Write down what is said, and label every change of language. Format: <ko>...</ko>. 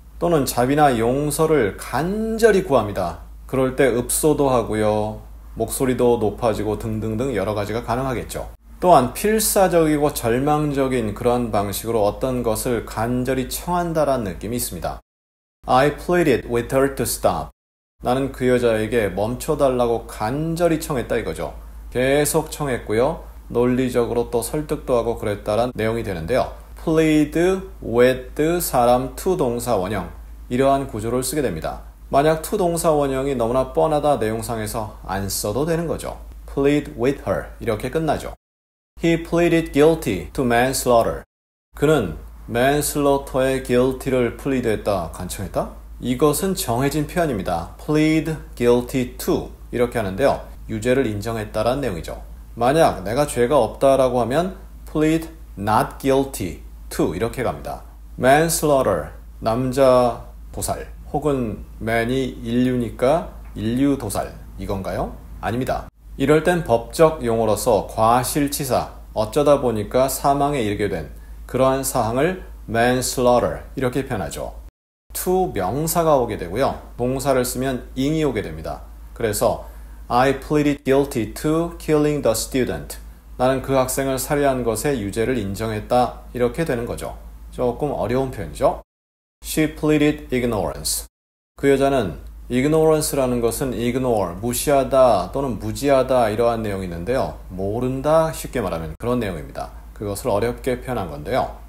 <ko>또는 자비나 용서를 간절히 구합니다. 그럴 때 읍소도 하고요. 목소리도 높아지고 등등등 여러 가지가 가능하겠죠. 또한 필사적이고 절망적인 그런 방식으로 어떤 것을 간절히 청한다라는 느낌이 있습니다.</ko> <en>I pleaded with her to stop.</en> <ko>나는 그 여자에게 멈춰달라고 간절히 청했다 이거죠. 계속 청했고요. 논리적으로 또 설득도 하고 그랬다라는 내용이 되는데요. plead with 사람 to 동사 원형 이러한 구조를 쓰게 됩니다. 만약 to 동사 원형이 너무나 뻔하다 내용상에서 안 써도 되는 거죠.</ko> <en>plead with her</en> <ko>이렇게 끝나죠.</ko> <en>He pleaded guilty to manslaughter.</en> <ko>그는 manslaughter의 guilty를 plead했다, 간청했다? 이것은 정해진 표현입니다. plead guilty to 이렇게 하는데요. 유죄를 인정했다라는 내용이죠. 만약 내가 죄가 없다라고 하면 plead not guilty to 이렇게 갑니다. manslaughter, 남자 도살 혹은 man이 인류니까 인류 도살 이건가요? 아닙니다. 이럴 땐 법적 용어로서 과실치사, 어쩌다 보니까 사망에 이르게 된 그러한 사항을 manslaughter 이렇게 표현하죠. to 명사가 오게 되고요. 동사를 쓰면 ing이 오게 됩니다.</ko> <en>그래서 I pleaded guilty to killing the student.</en> <ko>나는 그 학생을 살해한 것에 유죄를 인정했다. 이렇게 되는 거죠. 조금 어려운 표현이죠.</ko> <en>She pleaded ignorance.</en> <ko>그 여자는 ignorance라는 것은 ignore, 무시하다 또는 무지하다 이러한 내용이 있는데요. 모른다 쉽게 말하면 그런 내용입니다. 그것을 어렵게 표현한 건데요.</ko>